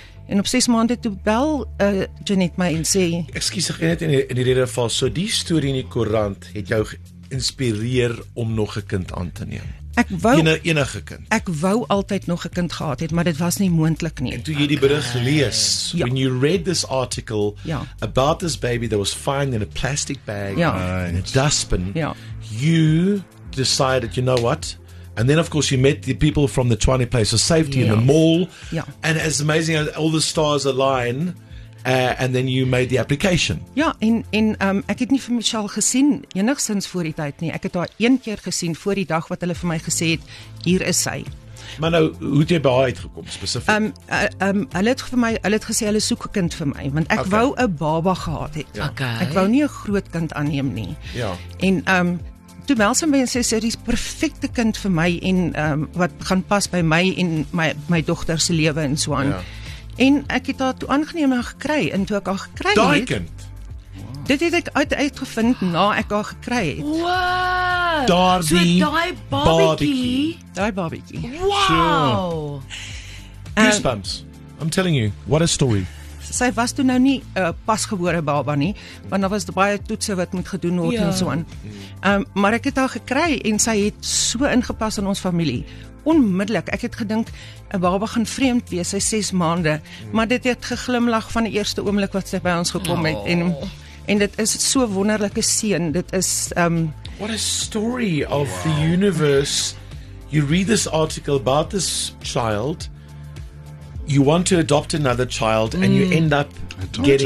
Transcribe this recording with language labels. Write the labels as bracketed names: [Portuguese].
[Afrikaans] En op 6 maande toe bel Jeanette my en sê... Excuse, ek het in die rede geval, so die story in die koerant het jou geïnspireer om nog 'n kind aan te neem. Ek wou, enige kind. Ek wou altyd nog 'n kind gehad het, maar dit was nie moontlik nie. En toe jy die berig lees, ja. [English] When you read this article [Afrikaans] ja. [English] About this baby that was found in a plastic bag [Afrikaans] ja. [English] In a dustbin, [Afrikaans] ja. [English] You decided, you know what? And then of course you met the people from the 20 Place of Safety in the mall. [Afrikaans] Ja. [English] And as amazing as all the stars align... and then you made the application. [Afrikaans] Ja, en ek het nie vir Michelle gesien enigszins voor die tyd nie. Ek het haar een keer gesien voor die dag wat hulle vir my gesê het, hier is sy. Maar nou, hoe het jy by haar uitgekom, spesifiek? Hulle het gesê, hulle soek 'n kind vir my, want ek okay. wou 'n baba gehad het. Ja. Okay. Ek wou nie 'n groot kind aanneem nie. Ja. En toe meld sy my en sê, sy is perfekte kind vir my en wat gaan pas by my en my dogter se lewe en so aan. Ja. En ek het haar toe aangeneem en gekry, en toe ek haar gekry het... Daai kind? Dit het ek uitgevind na ek haar gekry het. Wow! Daardie so die babiekie? Daai babiekie. Wow! [English] Goosebumps. I'm telling you, what a story. [Afrikaans] Sy was toe nou nie pasgebore baba nie, want daar was baie toetse wat moet gedoen word en so aan. Maar ek het haar gekry en sy het so ingepas in ons familie. Onmiddellik, ek het gedink, 'n baba gaan vreemd wees, sy 6 maande, maar dit het geglimlag van die eerste oomblik wat sy by ons gekom het, en dit is so wonderlike seën, dit is... [English] What a story of the universe, you read this article about this child, you want to adopt another child, and you end up adopting.